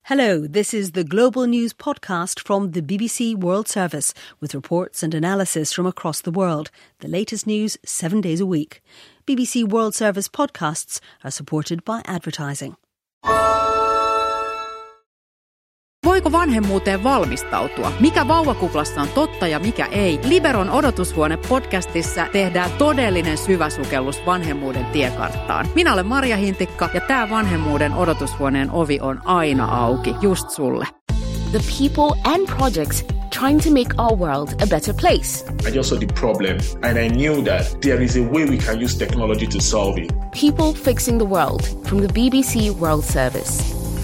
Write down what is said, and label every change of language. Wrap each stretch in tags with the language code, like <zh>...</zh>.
<en>Hello, this is the Global News Podcast from the BBC World Service with reports and analysis from across the world. The latest news 7 days a week. BBC World Service podcasts are supported by advertising.</en> <fi>Voiko vanhemmuuteen valmistautua? Mikä vauvakuplassa on totta ja mikä ei? Liberon odotushuone-podcastissa tehdään todellinen syväsukellus vanhemmuuden tiekarttaan. Minä olen Marja Hintikka ja tämä vanhemmuuden odotushuoneen ovi on aina auki, just sulle.</fi> <en>The people and projects trying to make our world a better place. I just saw the problem and I knew that there is a way we can use technology to solve it. People fixing the world from the BBC World Service.</en>